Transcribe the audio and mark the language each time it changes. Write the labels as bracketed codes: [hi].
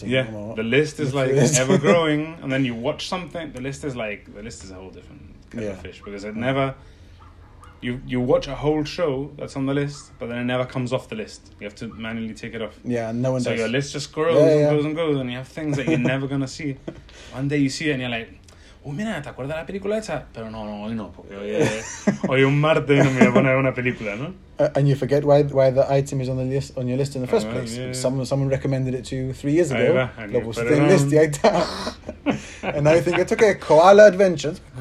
[en] the list is like ever growing, and then you watch something, the list is a whole different kind of fish, because it never. You watch a whole show that's on the list, but then it never comes off the list. You have to manually take it off. Yeah, no one does. So your list just grows and goes and goes, and you have things that you're never going to see. One day you see it and you're like, oh, [es] mira, ¿te acuerdas de la película esa? Pero no, hoy no. Hoy un martes no me voy a poner una película, ¿no? [en] And you forget why the item is on the list on your list in the first place. Yeah. Someone recommended it to you 3 years ago. And now you think, it's okay, Koala Adventures.